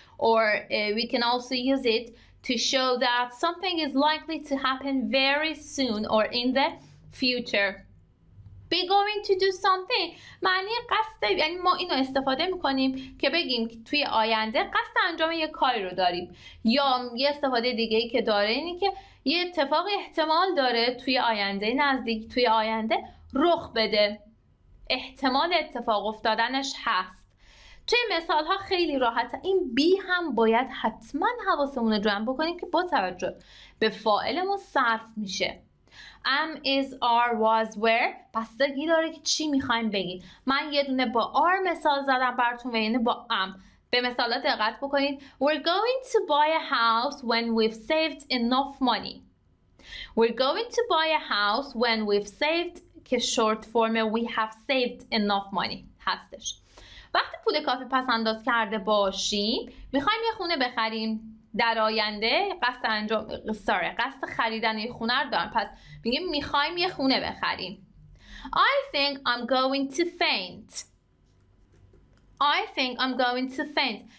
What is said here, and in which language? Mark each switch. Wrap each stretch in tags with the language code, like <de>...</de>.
<en>Or we can also use it to show that something is likely to happen very soon or in the future. Be going to do something.</en> <fa>معنی قصد، یعنی ما اینو استفاده میکنیم که بگیم توی آینده قصد انجام یه کاری رو داریم. یا یه استفاده دیگه ای که داره اینی که یه اتفاق احتمال داره توی آینده نزدیک، توی آینده رخ بده. احتمال اتفاق افتادنش هست. توی مثال ها خیلی راحته. این بی هم باید حتما حواسمون رو جمع بکنیم که با توجه به فاعلمون صرف میشه.</fa> <en>Am, is, are, was, where</en> <fa>بستگی داره که چی میخوایم بگیم. من یه دونه با are مثال زدم براتون و یعنی با am. به مثال ها دقت بکنید.</fa> <en>We're going to buy a house when we've saved enough money. We're going to buy a house when we've saved که short form we have saved enough money هستش.</en> <fa>وقتی پول کافی پس انداز کرده باشیم میخوایم یه خونه بخریم در آینده، قصد خریدن یه خونه رو دارم. پس میگیم میخوایم یه خونه بخریم.</fa> <en>I think I'm going to faint. I think I'm going to faint.</en>